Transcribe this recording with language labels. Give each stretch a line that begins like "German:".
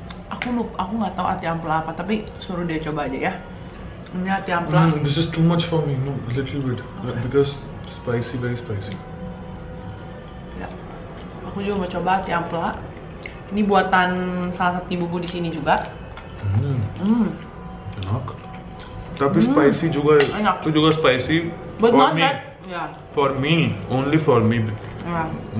Indonesian: Aku nggak tahu ati ampla apa, tapi suruh dia coba aja ya. Ini ati ampla.
English: This is too much for me. No, a little bit. Okay. Because spicy, very spicy.
Indonesian: Ya. Aku juga mau coba ati ampla. Ini buatan salah satu ibuku di sini juga. Enak. Tapi spicy juga. Enak. Itu juga spicy.
English: But for not me. That. Yeah. For me, only for me. Yeah.